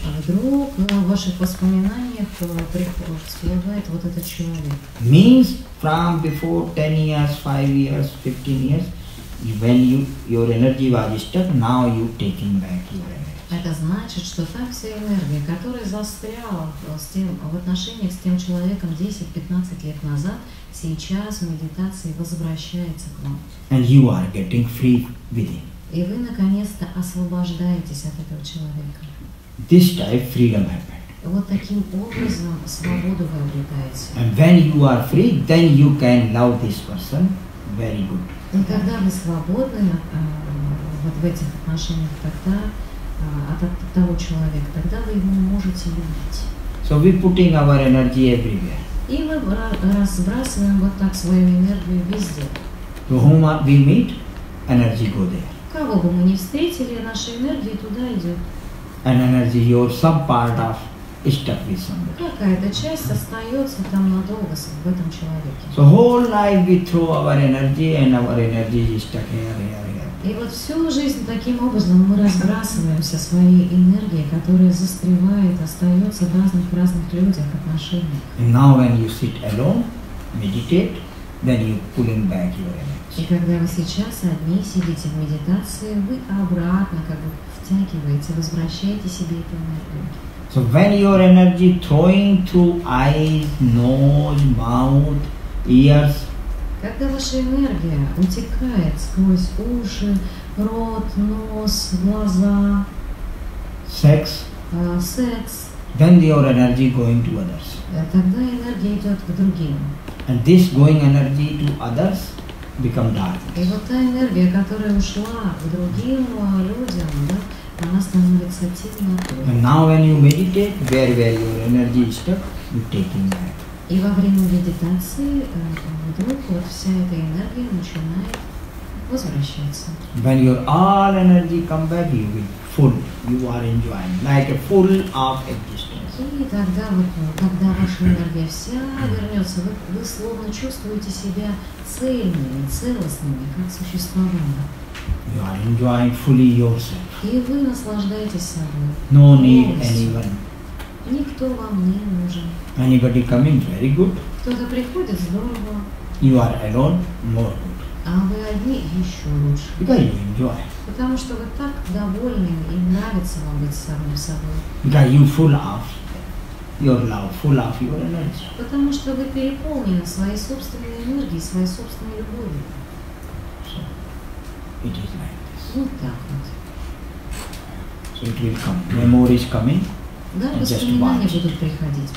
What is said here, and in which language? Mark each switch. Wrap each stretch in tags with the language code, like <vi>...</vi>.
<ru>А вдруг в ваших воспоминаниях приходит, всплывает вот этот человек.</ru> <en>Means from before 10 years, 5 years, 15 years, when you your energy was stuck, now you taking back your energy.</en> <ru>Это значит, что та вся энергия, которая застряла в отношениях с тем человеком 10-15 лет назад, сейчас в медитации возвращается к вам.</ru> <en>And you are getting free within.</en> <ru>И вы наконец-то освобождаетесь от этого человека.</ru> <en>This type freedom happened.</en> <ru>Вот таким образом свободу вы обретаете.</ru> <en>And when you are free, then you can love this person very good.</en> <ru>И когда вы свободны вот в этих отношениях, тогда от того человека, тогда вы его можете любить.</ru> <en>So we putting our energy everywhere.</en> <ru>И мы разбрасываем вот так свою энергию везде.</ru> <en>To whom we meet, energy go there.</en> <ru>Кого бы мы ни встретили, наша энергия туда идет.</ru> <en>An energy your some part of is stuck with somebody.</en> <ru>Какая-то часть остается там надолго в этом человеке.</ru> <en>So whole life we throw our energy and our energy is stuck here, here, here.</en> <ru>И вот всю жизнь таким образом мы разбрасываемся своей энергией, которая застревает, остается в разных людях, отношениях.</ru> <en>And now when you sit alone, meditate, then you pulling back your energy.</en> <ru>И когда вы сейчас одни сидите в медитации, вы обратно как бы втягиваете, возвращаете себе эту энергию.</ru> <en>So when your energy throwing through eyes, nose, mouth, ears.</en> <ru>Когда ваша энергия утекает сквозь уши, рот, нос, глаза.</ru> <en>Sex.</en> <ru>Секс.</ru> <en>Then your energy going to others.</en> <ru>Тогда энергия идет к другим.</ru> <en>And this going energy to others. Become darkness.</en> <ru>И вот та энергия, которая ушла к другим людям, да, она становится темнотой.</ru> <en>And now when you meditate, where your energy is stuck, you taking back.</en> <ru>И во время медитации вдруг вот вся эта энергия начинает возвращаться.</ru> <en>When your all energy come back, you will full, you are enjoying, like a full of existence.</en> <ru>И тогда вот, когда ваша энергия вся вернется, вы словно чувствуете себя цельными, целостными, как существование.</ru> <en>You are enjoying fully yourself.</en> <ru>И вы наслаждаетесь собой.</ru> <en>No need anyone.</en> <ru>Никто вам не нужен.</ru> <en>Anybody coming, very good.</en> <ru>Кто-то приходит, здорово.</ru> <en>You are alone, more good.</en> <ru>А вы одни еще лучше.</ru> <en>Because you enjoy.</en> <ru>Потому что вы так довольны и нравится вам быть самим собой.</ru> <en>Because you full of your love, full of your energy.</en> <ru>Потому что вы переполнены своей собственной энергией, своей собственной любовью.</ru> <en>So, it is like this.</en> <ru>Вот так вот.</ru> <en>So it will come. Memory is coming.</en> <ru>Да, воспоминания будут приходить.</ru>